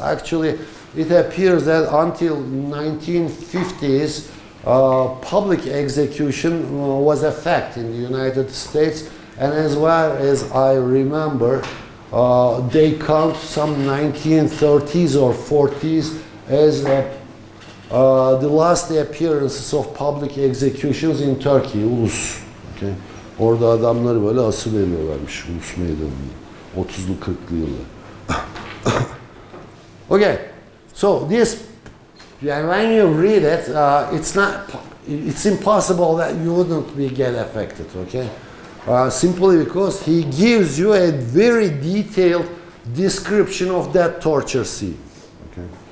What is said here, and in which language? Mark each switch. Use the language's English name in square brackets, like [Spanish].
[English] Actually, it appears that until 1950s, public execution was a fact in the United States, and as well as I remember, they count some 1930s or 40s as the last appearances of public executions in Turkey, Ulus. Okay. [Turkish] Orada adamları böyle asıl ediyorlarmış, Ulus meydanında, 30'lu 40'lı yıllar. [English] Okay, so this, yeah, when you read it, it's impossible that you wouldn't be get affected, okay? Simply because he gives you a very detailed description of that torture scene. Okay.